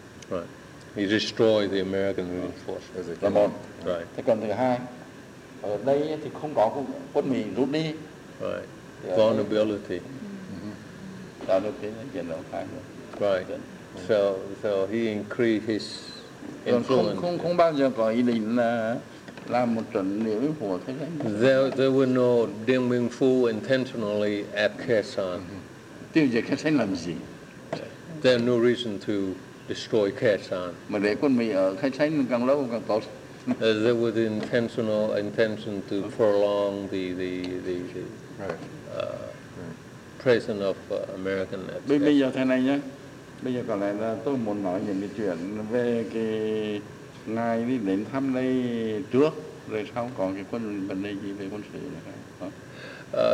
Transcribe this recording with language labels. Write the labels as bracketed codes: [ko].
[en] Right. He destroyed the American reinforcement. [vi] Là một. [en] Right. [vi] Thế còn thứ hai, ở đây thì không có quân Mỹ rút đi. [en] Right. Vulnerability. [vi] Tạo được cái chuyện đó khác rồi. [en] Right. So he increased his influence. There were no Điện Biên Phủ intentionally at Kaesan. [vi] Tiêu diệt Kaesan làm gì? [en] There are no reason to destroy Kaesan. [vi] Mà để quân Mỹ ở Kaesan càng lâu càng tốt. [en] There was intention to prolong the presence of American. [vi] Bây giờ thế này nhé. Bây giờ có lẽ là tôi muốn nói những cái chuyện về cái ngài đi đến thăm đây trước, rồi sau còn cái quân vấn đề gì về quân sự nữa.